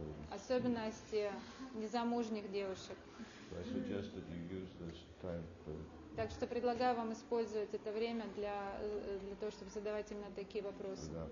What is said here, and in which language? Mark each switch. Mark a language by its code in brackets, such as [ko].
[ru] особенности незамужних девушек. [en] So I suggest that you use this time for. [ru] Так что предлагаю вам использовать это время для того, чтобы задавать именно такие вопросы.